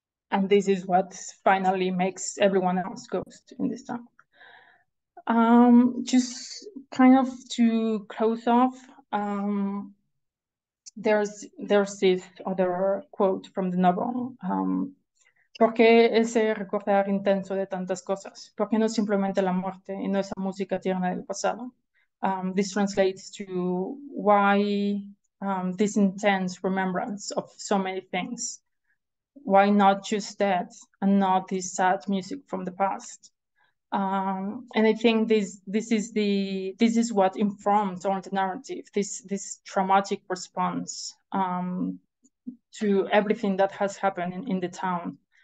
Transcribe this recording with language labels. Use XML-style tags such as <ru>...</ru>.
<en>And this is what finally makes everyone else ghost in this town. Just kind of to close off, there's this other quote from the novel.</en> <es>¿Por qué ese recordar intenso de tantas cosas? ¿Por qué no simplemente la muerte y no esa música tierna del pasado?</es> <en>This translates to why this intense remembrance of so many things? Why not just that and not this sad music from the past? And I think this is what informs all the narrative, this traumatic response to everything that has happened in the town.</en>